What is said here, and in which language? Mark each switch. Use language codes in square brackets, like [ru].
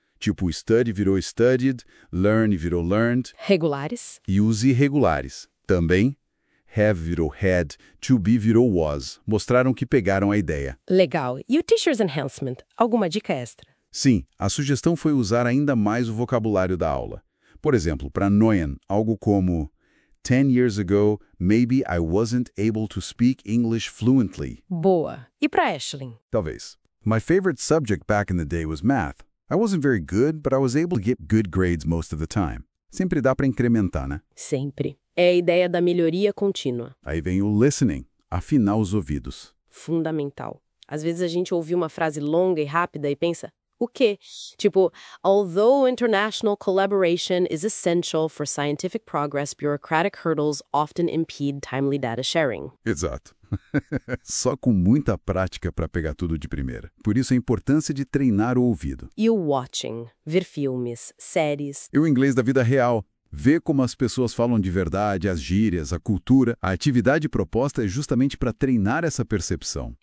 [pt] Tipo, study virou studied, learn virou learned. Regulares. E os irregulares. Também, have virou had, to be virou was. Mostraram que pegaram a ideia. Legal. E o teacher's enhancement? Alguma dica extra? Sim. A sugestão foi usar ainda mais o vocabulário da aula. Por exemplo, para Noyan, algo como [en] 10 years ago, maybe I wasn't able to speak English fluently. [pt] Boa. E para Ashlyn? Talvez. [en] My favorite subject back in the day was math. I wasn't very good, but I was able to get good grades most of the time. [pt] Sempre dá para incrementar, né? Sempre. É a ideia da melhoria contínua. Aí vem o listening, afinar os ouvidos. Fundamental. Às vezes a gente ouve uma frase longa e rápida e pensa, o quê? [en] Tipo, although international collaboration is essential for scientific progress, bureaucratic hurdles often impede timely data sharing. [pt] Exato. Só com muita prática para pegar tudo de primeira. Por isso a importância de treinar o ouvido. E o watching, ver filmes, séries. E o inglês da vida real. Ver como as pessoas falam de verdade, as gírias, a cultura. A atividade proposta é justamente para treinar essa percepção.